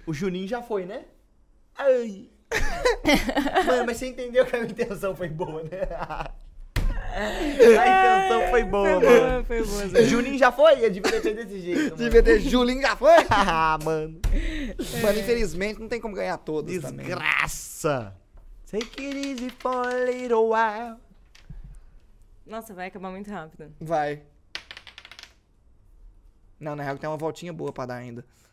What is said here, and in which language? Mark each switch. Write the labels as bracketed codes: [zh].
[pt] O Juninho já foi, né? Ai. Mano, mas você entendeu que a minha intenção foi boa, né? A intenção foi boa, mano. Juninho já foi? Eu devia ter desse jeito. Devia ter. Juninho já foi? Ah, mano. Mano, infelizmente não tem como ganhar todos. Desgraça. Também. Desgraça! [en] Take it easy for a little while. [pt] Nossa, vai acabar muito rápido. Vai. Não, na real que tem uma voltinha boa pra dar ainda.